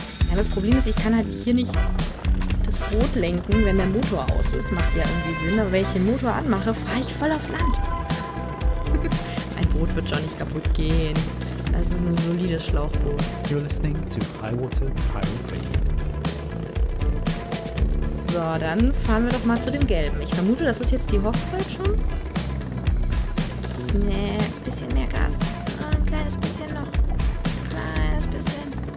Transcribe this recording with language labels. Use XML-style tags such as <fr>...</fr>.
<de>Ja, das Problem ist, ich kann halt hier nicht das Boot lenken, wenn der Motor aus ist. Macht ja irgendwie Sinn. Aber wenn ich den Motor anmache, fahre ich voll aufs Land. Boot wird schon nicht kaputt gehen. Das ist ein solides Schlauchboot.</de> <en>You're listening to High Water Pirate Radio.</en> <de>So, dann fahren wir doch mal zu dem Gelben. Ich vermute, das ist jetzt die Hochzeit schon. Nee, bisschen mehr Gas. Ein kleines bisschen noch. Kleines bisschen.</de>